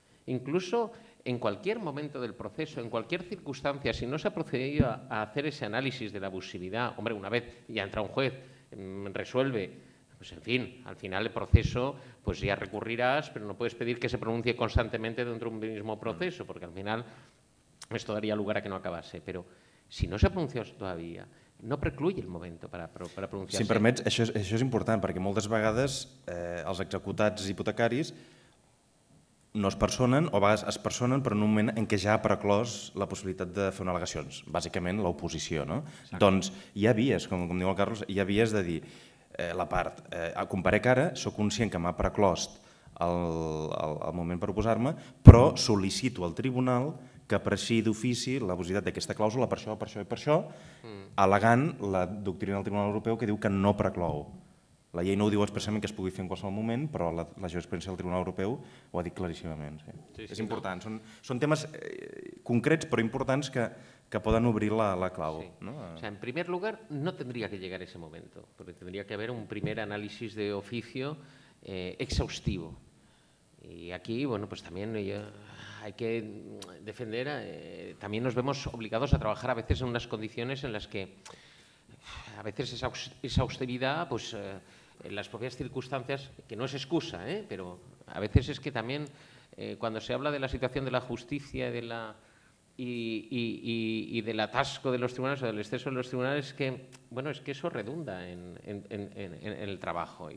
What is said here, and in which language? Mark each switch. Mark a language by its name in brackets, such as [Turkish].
[Spanish] Incluso en cualquier momento del proceso, en cualquier circunstancia, si no se ha procedido a hacer ese análisis de la abusividad, hombre, una vez ya entra un juez, resuelve, pues en fin, al final el proceso, pues ya recurrirás, pero no puedes pedir que se pronuncie constantemente dentro de un mismo proceso, porque al final esto daría lugar a que no acabase. Pero si no se ha pronunciado todavía, no precluye el momento para pronunciarse. [Catalan] Si em permets, això és important, perquè moltes vegades els executats hipotecaris no es personen, o a vegades es personen, però en un moment en què ja ha preclòs la possibilitat de fer una al·legació, bàsicament l'oposició, no? Exacte. Doncs hi ha vies, com diu el Carlos, hi ha vies de dir, la part, comparec ara, sóc conscient que m'ha preclòs el moment per oposar-me, però sol·licito al tribunal que apreciï d'ofici la possibilitat d'aquesta clàusula per això, per això i per això, al·legant la doctrina del Tribunal Europeu que diu que no preclou. La llei no ho diu expressament que es pugui fer en qualsevol moment, però la jurisprudència del Tribunal Europeu ho ha dit claríssimament. Sí. Sí, sí, és important. No? Són temes concrets però importants que poden obrir la clau. Sí. No? [Spanish] O sea, en primer lugar, no tendría que llegar ese momento, porque tendría que haber un primer análisis de oficio exhaustivo. Y aquí, bueno, pues también yo... Hay que defender, también nos vemos obligados a trabajar a veces en unas condiciones en las que a veces esa austeridad, pues en las propias circunstancias, que no es excusa, pero a veces es que también cuando se habla de la situación de la justicia y del atasco de los tribunales o del exceso de los tribunales, que bueno, es que eso redunda en el trabajo.